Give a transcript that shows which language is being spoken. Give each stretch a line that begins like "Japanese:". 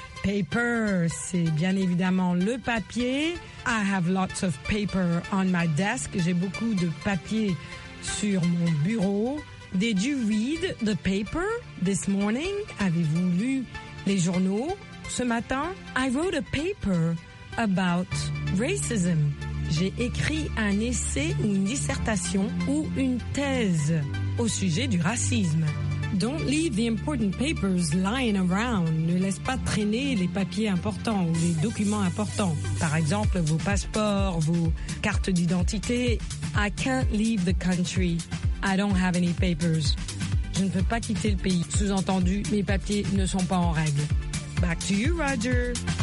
French: Paper, c'est bien évidemment le papier.
English: I have lots of paper on my desk.
French: J'ai beaucoup de papier sur mon bureau.
English: Did you read the paper this morning?
French: Avez-vous lu les journaux ce matin?
English: I wrote a paper about racism.
French: J'ai écrit un essai ou une dissertation ou une thèse au sujet du racisme.
English: Don't leave the important papers lying around.
French: Ne laisse pas traîner les papiers importants ou les documents importants. Par exemple, vos passeports, vos cartes d'identité.
English: I can't leave the country. I don't have any papers.
French: Je ne peux pas quitter le pays. Sous-entendu, mes papiers ne sont pas en règle.
English: Back to you, Roger.